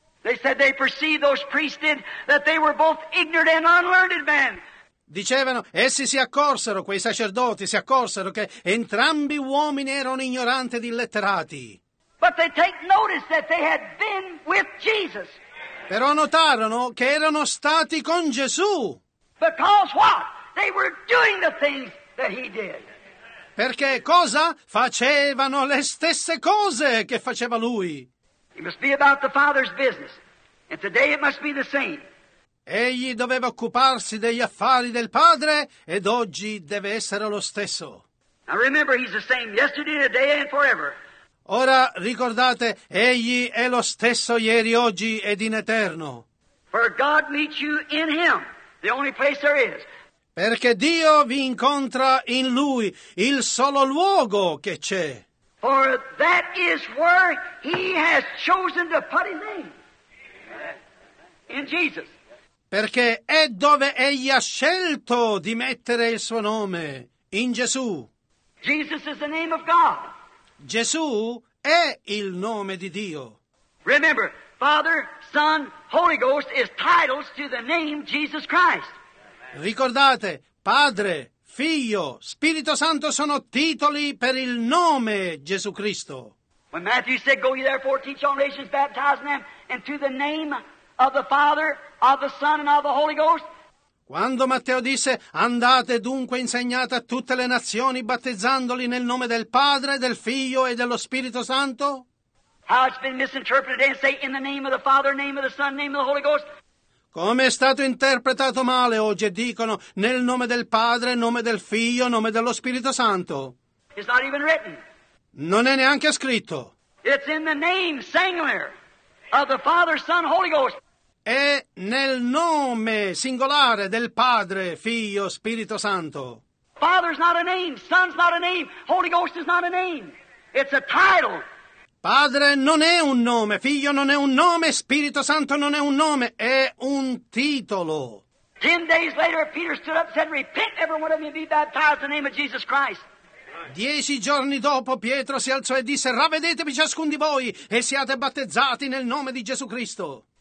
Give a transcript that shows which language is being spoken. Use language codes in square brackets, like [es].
[en] They said they perceived, those priests did, that they were both ignorant and unlearned men. [it] Dicevano, essi si accorsero, quei sacerdoti si accorsero che entrambi uomini erano ignoranti ed illetterati. [en] But they take notice that they had been with Jesus. [it] Però notarono che erano stati con Gesù. [en] Because what? They were doing the things that he did. [it] Perché cosa? Facevano le stesse cose che faceva lui. [en] It must be about the Father's business. And today it must be the same. [it] Egli doveva occuparsi degli affari del Padre ed oggi deve essere lo stesso. [en] Now remember, he's the same yesterday, today and forever. [it] Ora ricordate, egli è lo stesso ieri, oggi ed in eterno. [en] For God meets you in him, the only place there is. [it] Perché Dio vi incontra in lui, il solo luogo che c'è. [en] For that is where he has chosen to put his name. In Jesus. [it] Perché è dove egli ha scelto di mettere il suo nome, in Gesù. [en] Jesus is the name of God. [it] Gesù è il nome di Dio. [en] Remember, Father, Son, Holy Ghost is titles to the name Jesus Christ. [it] Ricordate, Padre, Figlio, Spirito Santo sono titoli per il nome Gesù Cristo. [en] When Matthew said, "Go ye therefore, teach all nations, baptizing them into the name of the Father, of the Son and of the Holy Ghost." [it] Quando Matteo disse, andate dunque insegnate a tutte le nazioni battezzandoli nel nome del Padre, del Figlio e dello Spirito Santo. [en] How it's been misinterpreted and say in the name of the Father, name of the Son, name of the Holy Ghost. [it] Come è stato interpretato male oggi e dicono nel nome del Padre, nome del Figlio, nome dello Spirito Santo. [en] It's not even written. [it] Non è neanche scritto. [en] It's in the name singular of the Father, Son, Holy Ghost. [it] È nel nome singolare del Padre, Figlio, Spirito Santo. [en] Father's not a name. Son's not a name. Holy Ghost is not a name. It's a title. [it] Padre non è un nome. Figlio non è un nome. Spirito Santo non è un nome. È un titolo. [en] 10 days later, Peter stood up and said, "Repent, every one of you, and be baptized in the name of Jesus Christ." [it] 10 giorni dopo, Pietro si alzò e disse, "Ravvedetevi ciascun di voi e siate battezzati nel nome di Gesù Cristo."